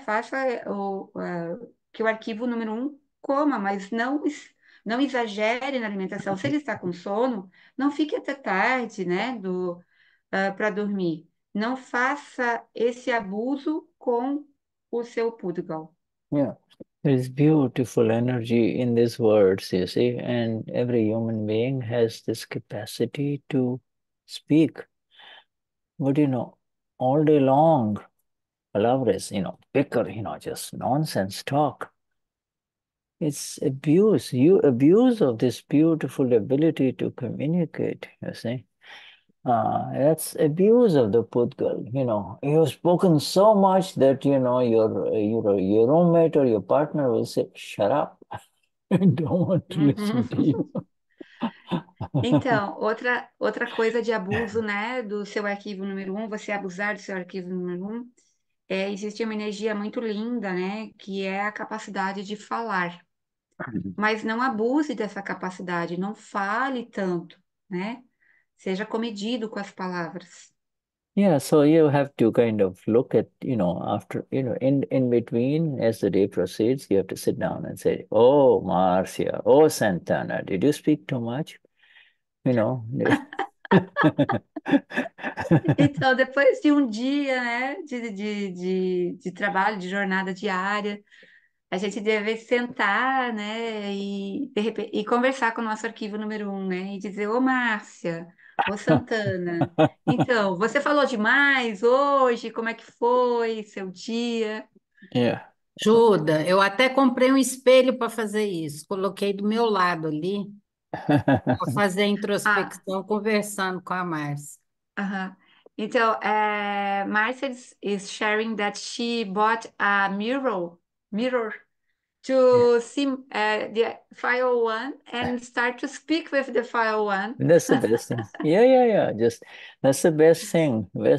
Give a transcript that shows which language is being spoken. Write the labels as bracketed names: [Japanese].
[Portuguese] Faça que o arquivo número um coma, mas não exagere na alimentação. Se ele está com sono, não fique até tarde, né? Para dormir. Não faça esse abuso com o seu pudgal. [English] Yeah. There is beautiful energy in these words, you see. And every human being has this capacity to speak. But you know, all day long, palavras, you know, bicker, you know, just nonsense talk. It's abuse, you abuse of this beautiful ability to communicate, you see. That's abuse of the pudgal. You know, you've spoken so much that, you know, your roommate or your partner will say, shut up, I don't want to listen to you. [Portuguese] Então, outra coisa de abuso, né, do seu arquivo número um, você abusar do seu arquivo número um, existe uma energia muito linda, né, que é a capacidade de falar. Mas não abuse dessa capacidade, não fale tanto, né? Seja comedido com as palavras. [English] Yeah, so you have to kind of look at, you know, after, you know, in between, as the day proceeds, you have to sit down and say, oh, Marcia, oh, Santana, did you speak too much? You know. [Portuguese] Então, depois de um dia, né, de trabalho, de jornada diária, a gente deve sentar, né, e conversar com o nosso arquivo número um, né, e dizer, ô Márcia, ô Santana, então, você falou demais hoje, como é que foi seu dia? [English] Yeah. [Portuguese] Juda, eu até comprei um espelho para fazer isso, coloquei do meu lado ali. Fazer a introspecção conversando com a Márcia. [English] Então, Márcia is sharing that she bought a mirror to see the file one and start to speak with the file one. That's the best thing. Yeah. Just that's the best thing.